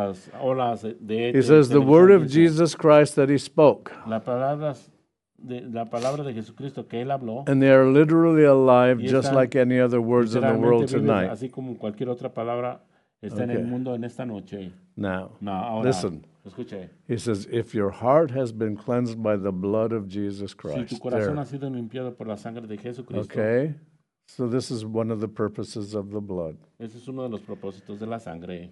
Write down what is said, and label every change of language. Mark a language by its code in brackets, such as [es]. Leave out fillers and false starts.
[en] He says, the word of Jesus Christ that He spoke. And they are literally alive just like any other words in the world tonight. [es] Así como cualquier otra palabra está en el mundo en esta noche. [en] Now, [es] ahora, [en] listen. [es] Escuche. [en] He says, if your heart has been cleansed by the blood of Jesus Christ. [es] Si tu corazón ha sido limpiado por la sangre de Jesucristo. [en] Okay. So this is one of the purposes of the blood. [es] Este es uno de los propósitos de la sangre.